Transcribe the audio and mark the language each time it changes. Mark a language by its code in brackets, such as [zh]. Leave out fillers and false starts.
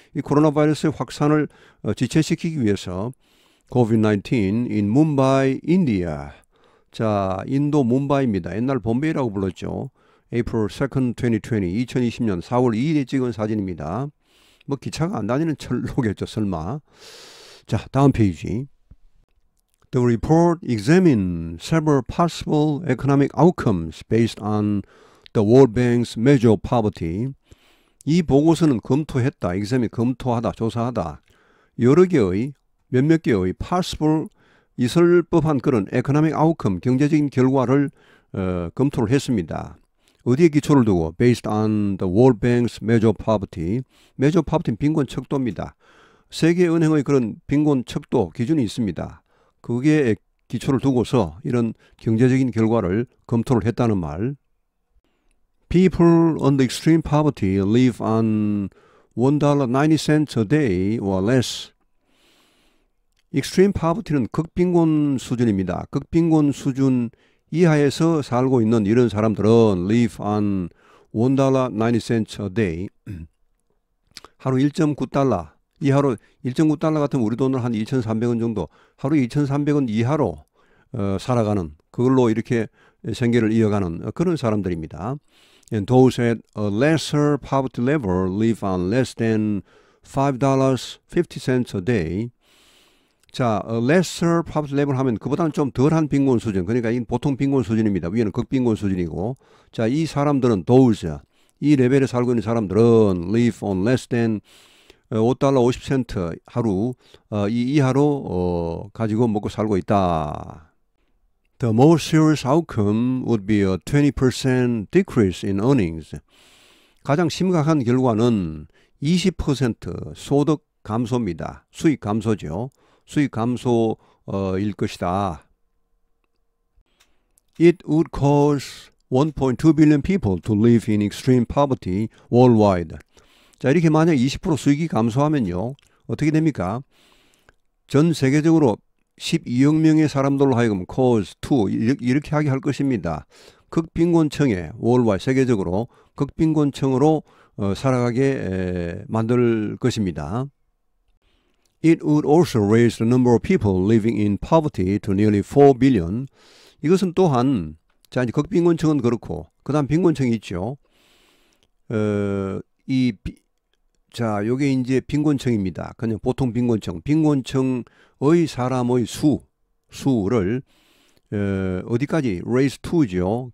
[ko] 이 코로나 바이러스의 확산을 지체시키기 위해서 [en] COVID-19 in Mumbai, India. [ko] 자, 인도 뭄바이입니다. 옛날 봄베이라고 불렀죠. [en] April 2nd, 2020, [ko] 2020년 4월 2일에 찍은 사진입니다. 뭐 기차가 안 다니는 철로겠죠, 설마. 자, 다음 페이지. [en] The report examined several possible economic outcomes based on the World Bank's measure of poverty. [ko] 이 보고서는 검토했다. Examine, 검토하다, 조사하다. 여러 개의, 몇몇 개의 possible 있을 법한 그런 economic outcome, 경제적인 결과를 검토를 했습니다. 어디에 기초를 두고? [en] Based on the World Bank's measure of poverty. Measure of poverty는 [ko] 빈곤 척도입니다. 세계은행의 그런 빈곤 척도 기준이 있습니다. 거기에 기초를 두고서 이런 경제적인 결과를 검토를 했다는 말. [en] People under extreme poverty live on $1.90 a day or less. [ko] Extreme poverty는 극빈곤 수준입니다. 극빈곤 수준 이하에서 살고 있는 이런 사람들은 [en] live on $1.90 a day. [ko] 하루 $1.9 이하로, $1.9 같은 우리 돈으로 한 2,300원 정도, 하루 2,300원 이하로 살아가는, 그걸로 이렇게 생계를 이어가는 그런 사람들입니다. [en] And those at a lesser poverty level live on less than $5.50 a day. [ko] 자, a lesser poverty level 하면 그보다는 좀 덜한 빈곤 수준. 그러니까 이건 보통 빈곤 수준입니다. 위에는 극빈곤 수준이고. 자, 이 사람들은 those, 이 레벨에 살고 있는 사람들은 [en] live on less than $5.50 [ko] 하루 이 이하로 가지고 먹고 살고 있다. [en] The most serious outcome would be a 20% decrease in earnings. [ko] 가장 심각한 결과는 20% 소득 감소입니다. 수익 감소죠. 수익 감소일 것이다. [en] It would cause 1.2 billion people to live in extreme poverty worldwide. [ko] 자, 이렇게 만약 20% 수익이 감소하면요. 어떻게 됩니까? 전 세계적으로 12억 명의 사람들로 하여금 cause to 이렇게 하게 할 것입니다. 극빈곤층에 worldwide 세계적으로 극빈곤층으로 살아가게 만들 것입니다. [en] It would also raise the number of people living in poverty to nearly 4 billion. [ko] 이것은 또한 자 이제 극빈곤층은 그렇고 그다음 빈곤층이 있죠. 이 자 요게 이제 빈곤층입니다. 그냥 보통 빈곤층, 빈곤층의 사람의 수를 어디까지 raise to죠.